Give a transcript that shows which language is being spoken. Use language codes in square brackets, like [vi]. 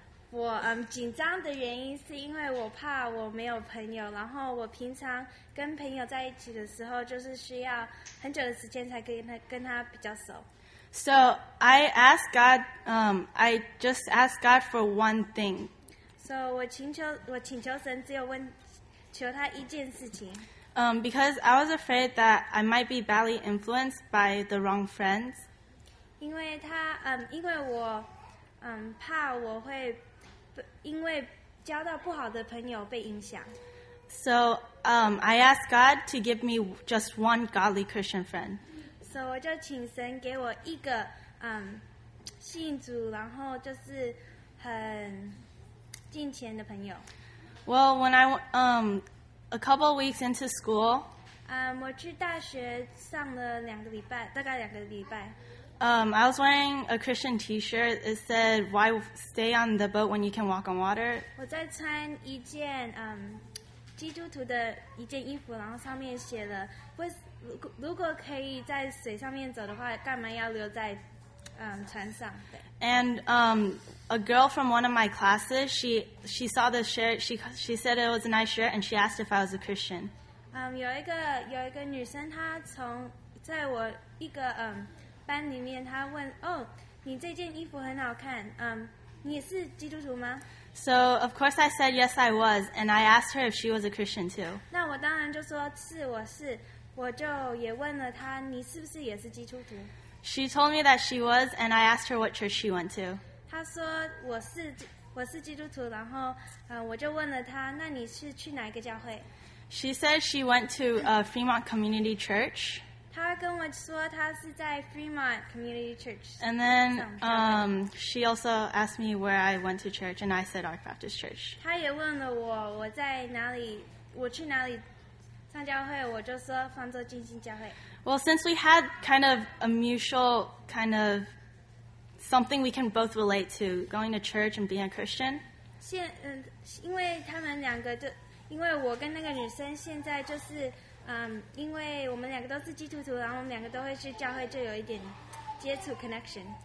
[zh] 我紧张的原因是因为我怕我没有朋友，然后我平常跟朋友在一起的时候，就是需要很久的时间才跟他比较熟。 [en] So I asked God, I just asked God for one thing. [zh] So 我请求神只有问求他一件事情。 [en] Because I was afraid that I might be badly influenced by the wrong friends. [zh] 因为他因为我怕我会因为交到不好的朋友被影响。 [en] So I asked God to give me just one godly Christian friend. [zh] So 我就请神给我一个信主然后就是很敬虔的朋友。 [en] Well, when I a couple of weeks into school, [zh] 我去大学上了两个礼拜，大概两个礼拜。 [en] I was wearing a Christian T-shirt. It said, "Why stay on the boat when you can walk on water?" [zh] 我在穿一件基督徒的一件衣服，然后上面写了，如果可以在水上面走的话，干嘛要留在船上？对。 [en] And a girl from one of my classes, she saw the shirt. She said it was a nice shirt, and she asked if I was a Christian. [zh] 有一个女生，她从在我一个班里面，他问：“哦，你这件衣服很好看，你也是基督徒吗？” [en] So of course I said yes, I was, and I asked her if she was a Christian too. [zh] 那我当然就说是，我是，我就也问了她，你是不是也是基督徒？ [en] She told me that she was, and I asked her what church she went to. [zh] 她说我是基督徒，然后我就问了她，那你是去哪一个教会？ [en] She said she went to a Fremont Community Church. [zh] 他跟我说他是在 Fremont Community Church. [en] And then she also asked me where I went to church, and I said Ark Baptist Church. [zh] 他也问了我在哪里，我去哪里上教会，我就说方舟浸信教会。 [en] Well, since we had kind of a mutual kind of something we can both relate to, going to church and being a Christian. [zh] 因为他们两个就，因为我跟那个女生现在就是因为我们两个都是基督徒，然后我们两个都会去教会，就有一点接触 connection。